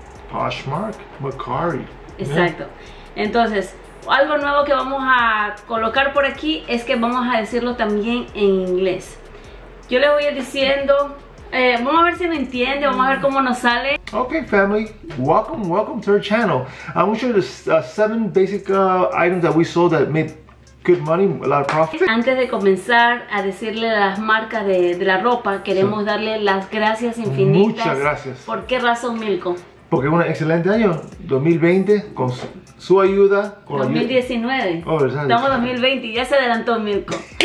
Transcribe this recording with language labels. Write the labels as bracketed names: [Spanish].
[Spanish] Poshmark, Mercari. Exacto. Entonces, algo nuevo que vamos a colocar por aquí es que vamos a decirlo también en inglés. Yo le voy diciendo, vamos a ver si me entiende, vamos a ver cómo nos sale. [English] Okay, family, welcome to our channel. I'm going to show you the 7 basic items that we sold that made good money, a lot of profit. [Spanish] Antes de comenzar a decirle las marcas de la ropa, queremos darle las gracias infinitas. Muchas gracias. ¿Por qué razón, Mirko? Porque es un excelente año, 2020, con su ayuda. Con 2019. Ayuda. Estamos en 2020 y ya se adelantó Mirko.